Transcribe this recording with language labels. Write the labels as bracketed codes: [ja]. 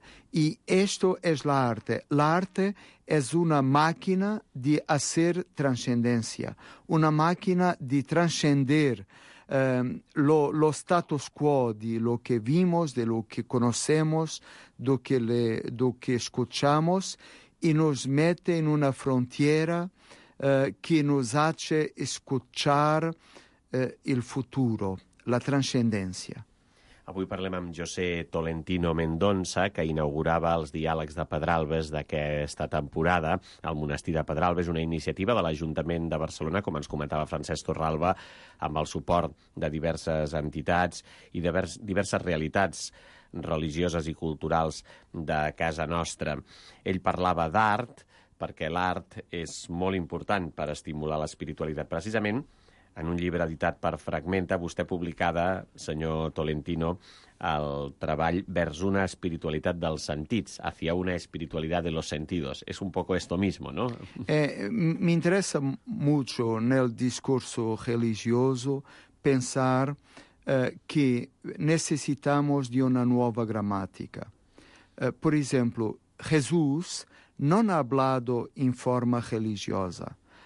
[es] Y esto es la arte. La arte es una máquina de hacer trascendencia, una máquina de trascender lo status quo de lo que vimos, de lo que conocemos, de lo que escuchamos, y nos mete en una frontera que nos hace escuchar el futuro, la trascendencia. [ca] Avui parlem amb José Tolentino Mendonça, que inaugurava els diàlegs de Pedralbes d'aquesta temporada al Monestir de Pedralbes, una iniciativa de l'Ajuntament de Barcelona, com ens comentava Francesc Torralba, amb el suport de diverses entitats i diverses realitats religioses i culturals de casa nostra. Ell parlava d'art, perquè l'art és molt important per estimular l'espiritualitat, precisament. En un llibre editat per Fragmenta, vostè publicada, senyor Tolentino, el treball vers una espiritualitat dels sentits, [es] hacia una espiritualitat de los sentidos. És un poco esto mismo, ¿no? [ca] M'interessa [es] mucho en el discurso religioso pensar que necesitamos de una nueva gramática. Por ejemplo, Jesús no ha hablado en forma religiosa.